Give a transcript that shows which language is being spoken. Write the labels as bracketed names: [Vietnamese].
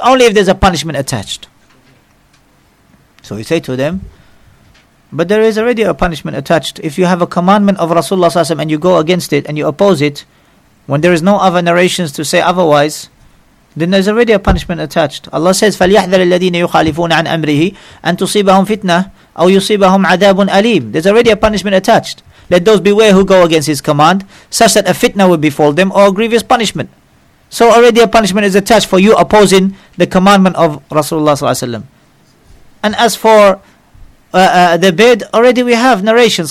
[English] Only if there's a punishment attached. So we say to them, but there is already a punishment attached. If you have a commandment of Rasulullah Sallallahu Alaihi Wasallam and you go against it and you oppose it, when there is no other narrations to say otherwise, then there's already a punishment attached. Allah says, [Arabic] فَلْيَحْذَرِ الَّذِينَ يُخَالِفُونَ عَنْ أَمْرِهِ أَنْ تُصِيبَهُمْ فِتْنَةٌ أَوْ يُصِيبَهُمْ عَذَابٌ أَلِيمٌ. [English] There's already a punishment attached. Let those beware who go against His command, such that a fitna will befall them or a grievous punishment. So already a punishment is attached for you opposing the commandment of Rasulullah Sallallahu Alaihi Wasallam. And as for the beard, already we have narrations.